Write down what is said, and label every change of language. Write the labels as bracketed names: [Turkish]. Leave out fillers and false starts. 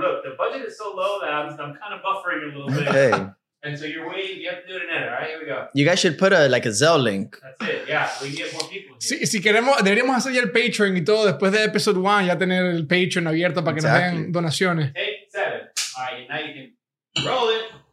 [English] Look, the budget is so low that I'm kind of buffering a little bit. Okay. And so you're waiting, you have to do it in editor, all right? Here we go. You guys should put a Zelle link. That's it, yeah. We can get more people. [Spanish] Sí, si queremos, deberíamos hacer ya el Patreon y todo después de [English] episode 1, [Spanish] ya tener el Patreon abierto para que nos den donaciones. [English] Take 7. All right, now you can roll it.